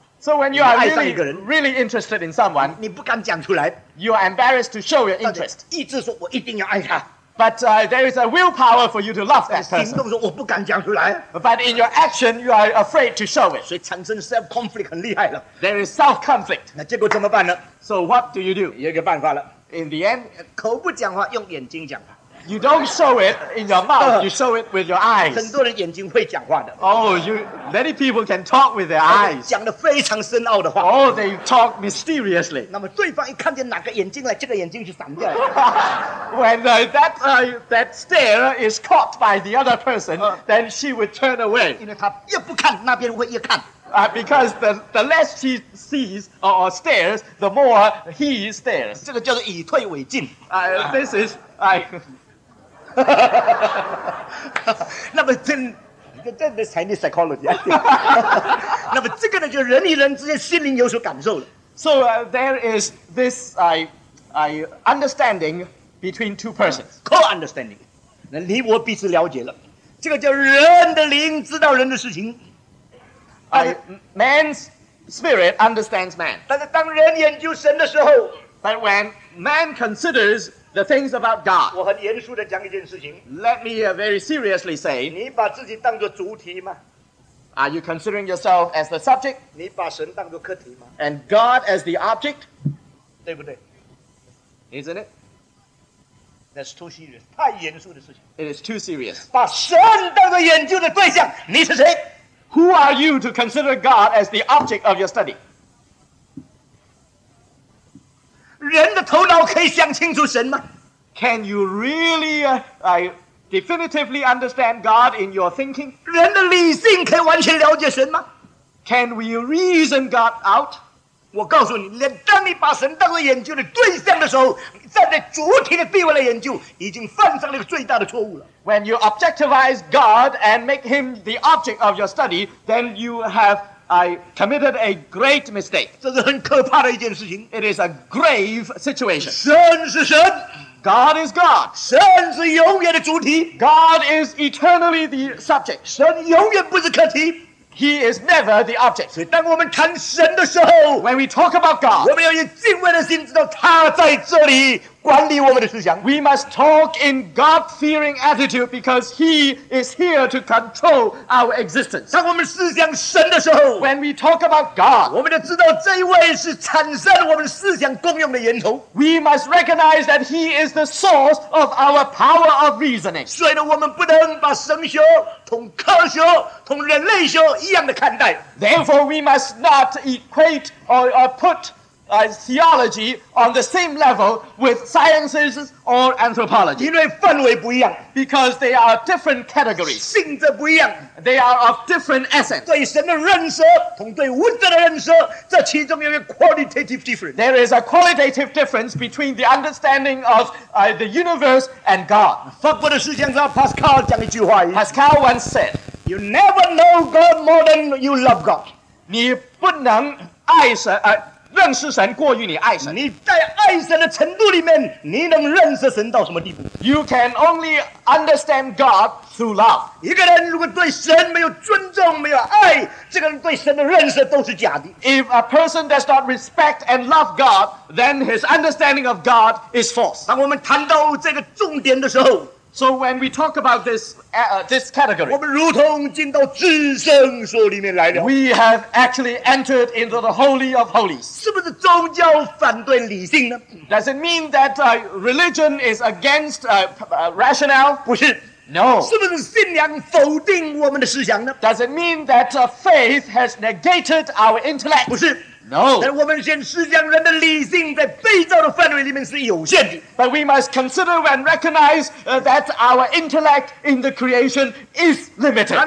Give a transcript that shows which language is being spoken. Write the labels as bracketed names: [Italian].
[English] So when you are really interested in someone, [Chinese] 你不敢讲出来 [English] You are embarrassed to show your interest. [Chinese] 意志说我一定要爱他 [English] But there is a willpower for you to love that person. [Chinese] 行动说我不敢讲出来 [English] But in your action, you are afraid to show it. [Chinese] 所以产生 self-conflict 很厉害了 [English] There is self-conflict. [Chinese] 那结果怎么办呢 [English] So what do you do? [Chinese] 有一个办法了 [English] In the end, [Chinese] 口不讲话，用眼睛讲话。 [English] You don't show it in your mouth, you show it with your eyes. [Chinese] 很多人眼睛会讲话的。 [English] Many people can talk with their eyes. [Chinese] 讲得非常深奥的话。 [English] They talk mysteriously. [Chinese] 那么对方一看见哪个眼睛来，这个眼睛就闪掉了。 [English] When that stare is caught by the other person, then she would turn away. [Chinese] 因为他越不看，那边会越看。 [English] Because the less she sees or stares, the more he stares. [Chinese] 这个叫做以退为进。 [English] This is I. [Chinese] 那么真，真的 [English] Chinese psychology. [Chinese] 那么这个呢，就人与人之间心灵有所感受了。 [English] So there is this I understanding between two persons. [Chinese] Co-understanding. 那你我彼此了解了。这个叫人的灵知道人的事情。 [English] Man's spirit understands man. [Chinese] 但是当人研究神的时候 [English] But when man considers the things about God, [Chinese] 我很严肃地讲一件事情 [English] Let me very seriously say, [Chinese] 你把自己当作主体吗 [English] Are you considering yourself as the subject? [Chinese] 你把神当作客体吗 [English] And God as the object? [Chinese] 对不对 [English] Isn't it? That's too serious. [Chinese] 太严肃的事情 [English] It is too serious. [Chinese] 把神当作研究的对象你是谁 [English] Who are you to consider God as the object of your study? [Chinese] 人的头脑可以想清楚神吗? [English] Can you really definitively understand God in your thinking? [Chinese] 人的理性可以完全了解神吗? [English] Can we reason God out? [Chinese] 我告诉你，连当你把神当作研究的对象的时候，站在主体的地位来研究，已经犯上了一个最大的错误了。 [English] When you objectivize God and make Him the object of your study, then you have committed a great mistake. [Chinese] 这是很可怕的一件事情。 [English] It is a grave situation. [Chinese] 神是神。 [English] God is God. [Chinese] 神是永远的主体。 [English] God is eternally the subject. [Chinese] 神永远不是客体。 [English] He is never the object. [Chinese] 所以当我们谈神的时候 [English] When we talk about God, [Chinese] 我们要以敬畏的心知道他在这里管理我们的思想 [English] We must talk in God-fearing attitude because he is here to control our existence. [Chinese] 当我们思想神的时候 [English] When we talk about God, [Chinese] 我们就知道这一位是产生我们思想功用的源头 [English] We must recognize that he is the source of our power of reasoning. [Chinese] 所以呢，我们不能把神学同科学同人类学一样的看待 [English] Therefore, we must not equate or put theology on the same level with sciences or anthropology. [Chinese] 因为范围不一样 [English] Because they are different categories. [Chinese] 性质不一样 [English] They are of different essence. [Chinese] 对神的认识同对物质的认识这其中有一个 qualitative difference. [English] There is a qualitative difference between the understanding of the universe and God. [Chinese] 法国的思想家 Pascal 讲一句话 [English] Pascal once said, You never know God more than you love God. [Chinese] 你不能爱神认识神过于你爱神你在爱神的程度里面你能认识神到什么地步 [English] You can only understand God through love [Chinese] 一个人如果对神没有尊重没有爱这个人对神的认识都是假的 [English] If a person does not respect and love God then his understanding of God is false [Chinese] 当我们谈到这个重点的时候 [English] So when we talk about this, this category, [Chinese] 我们如同进到至圣所里面来了。 [English] We have actually entered into the Holy of Holies. [Chinese] 是不是宗教反对理性呢？ [English] Does it mean that religion is against rationale? [Chinese] 不是。 [English] No. [Chinese] 是不是信仰否定我们的思想呢？ [English] Does it mean that faith has negated our intellect? [Chinese] 不是。 [English] No. [Chinese] 但我们先思想人的理性在被造的范围里面是有限的。 [English] But we must consider and recognize that our intellect in the creation is limited.